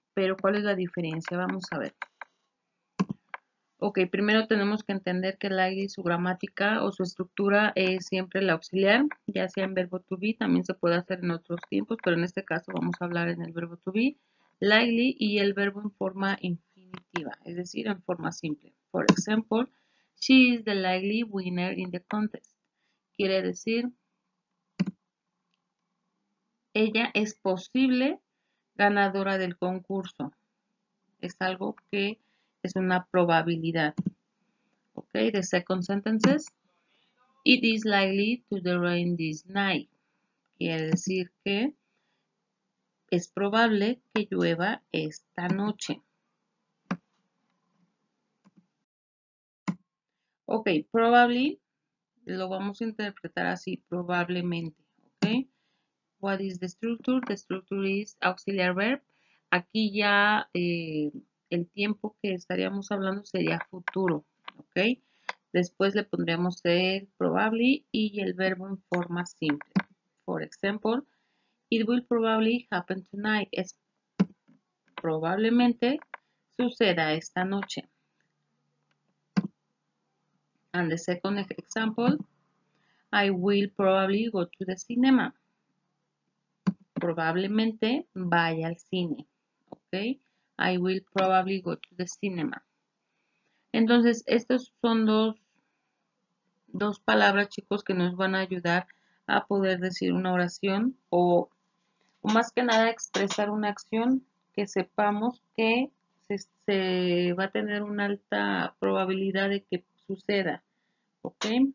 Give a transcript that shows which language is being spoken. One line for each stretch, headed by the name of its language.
Spanish: Pero ¿cuál es la diferencia? Vamos a ver. Ok, primero tenemos que entender que likely, su gramática o su estructura es siempre el auxiliar, ya sea en verbo to be, también se puede hacer en otros tiempos, pero en este caso vamos a hablar en el verbo to be, likely y el verbo en forma infinitiva, es decir, en forma simple. Por ejemplo,
English: she is the likely winner in the contest.
Spanish: Quiere decir, ella es posible ganadora del concurso. Es algo que es una probabilidad.
English: Ok, the second sentence is, it is likely to rain this night.
Spanish: Quiere decir que es probable que llueva esta noche. Ok, probably, lo vamos a interpretar así, probablemente.
English: Ok, what is the structure? The structure is auxiliary verb.
Spanish: Aquí ya, el tiempo que estaríamos hablando sería futuro, ¿ok? Después le pondríamos el probably y el verbo en forma simple.
English: For example, it will probably happen tonight.
Spanish: Es probablemente suceda esta noche.
English: And the second example, I will probably go to the cinema.
Spanish: Probablemente vaya al cine, ¿ok?
English: I will probably go to the cinema.
Spanish: Entonces, estas son dos palabras, chicos, que nos van a ayudar a poder decir una oración o más que nada expresar una acción que sepamos que se va a tener una alta probabilidad de que suceda. ¿Ok?